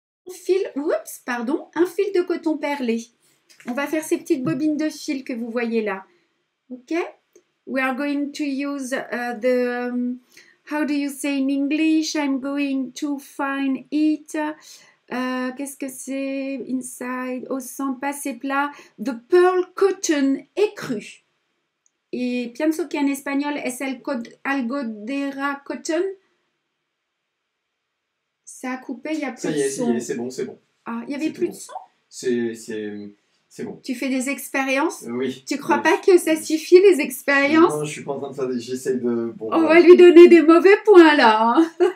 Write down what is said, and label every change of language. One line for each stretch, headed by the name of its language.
French: Fil, oups, pardon, un fil de coton perlé. On va faire ces petites bobines de fil que vous voyez là. Ok?
English: We are going to use how do you say in English? I'm going to find it.
French: Qu'est-ce que c'est?
English: Inside,
French: au centre, passé plat.
English: The pearl cotton écru.
Spanish: Et pienso que en espagnol es el algodera cotton.
French: Ça a coupé, il n'y a plus de son. Ça y est, c'est bon, c'est bon. Ah, il n'y avait plus de son ? C'est bon. Tu fais des expériences ? Oui. Tu ne crois pas que ça suffit, les expériences ? Non, je ne suis pas en train de faire des... J'essaie de... Bon, on va lui donner des mauvais points, là. Hein.